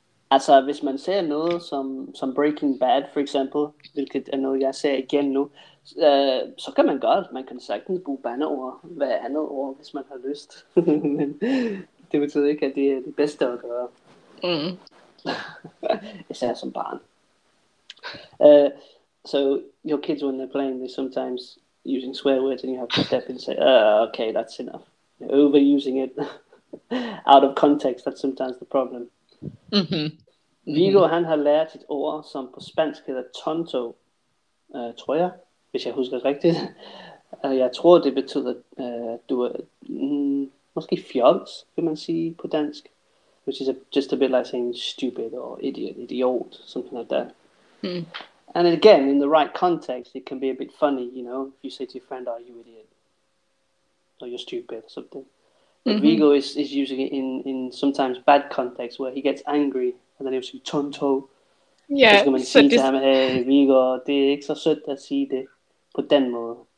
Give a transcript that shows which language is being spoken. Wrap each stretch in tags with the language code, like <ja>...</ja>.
<da>Altså, hvis man ser noget som Breaking Bad, for eksempel, hvilket er noget, jeg ser igen nu, så kan man godt, man kan sagtens bruge bandeord, hvad andet ord, hvis man har lyst. Men det betyder ikke, at det er det bedste at gøre. Mm. Især som barn.</da> <en>So your kids, when they're playing, they're sometimes using swear words, and you have to step in and say, okay, that's enough. You're overusing it out of context, that's sometimes the problem. Mm-hmm.</en> <da>Vigo, han har lært et ord, som på spansk hedder tonto, tror jeg, hvis jeg husker rigtigt. Jeg tror, det betyder, at du er måske fjols, vil man sige på dansk.</da> <en>Which is just a bit like saying stupid or idiot, something like that. Mm. And again, in the right context, it can be a bit funny, you know, if you say to your friend, "Are you idiot?" or "You're stupid," or something. Mm-hmm. But Vigo is using it in sometimes bad context where he gets angry and then he'll say, "Tonto." Yeah.</en> <da>Så skal man sige til ham, "Hey, Vigo, det er ikke så sødt at sige det på den måde."</da>